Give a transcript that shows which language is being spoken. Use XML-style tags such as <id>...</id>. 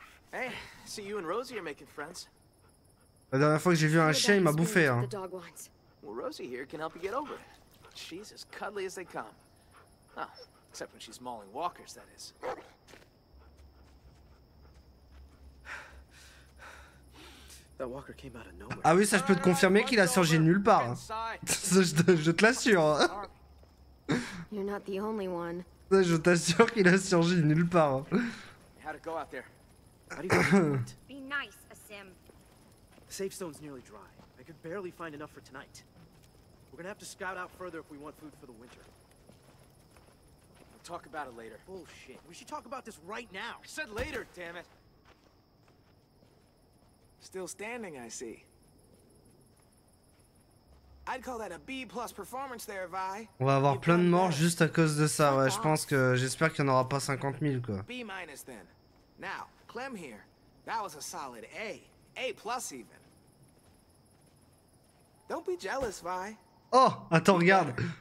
<en>Hey, see you and Rosie are making friends.</en> <fr>La dernière fois que j'ai vu un chien, il m'a bouffé, hein.</fr> <en>Well, Rosie here can help you get over it. She's as cuddly as they come. Oh, except when she's mauling walkers, that is. That walker came out of nowhere.</en> <fr>Ah oui, ça je peux te confirmer qu'il a surgi de nulle part. Je te l'assure.</fr> <en>You're not the only one.</en> <fr>Je t'assure qu'il a surgi de nulle part.</fr> <en>How'd it go out there? How do you want to do it? Be nice, Asim. Safe zone's nearly dry. I could barely find enough for tonight. We're gonna have to scout out further if we want food for the winter. We'll talk about it later. Bullshit. We should talk about this right now. I said later, damn it. Still standing, I see. I'd call that a B+ performance there, Vi.</en> <fr>On va avoir plein de morts juste à cause de ça. Ouais, j'espère qu'il n'y en aura pas 50 000, quoi.</fr> <en>B- then. Now, Clem here. That was a solid A. A+ even. Don't be jealous, Vi.</en> <fr>Oh, attends, regarde.</fr>